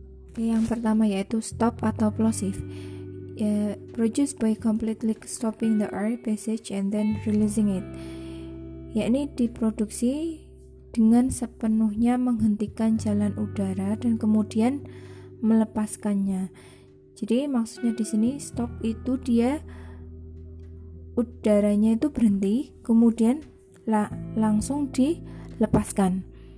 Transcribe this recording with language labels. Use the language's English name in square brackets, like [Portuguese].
[Indonesian] Oke, yang pertama yaitu stop atau plosive. [English] Produced by completely stopping the air passage and then releasing it. [Indonesian] Yakni diproduksi dengan sepenuhnya menghentikan jalan udara dan kemudian melepaskannya. Jadi maksudnya di sini stop itu dia udaranya itu berhenti, kemudian langsung dilepaskan.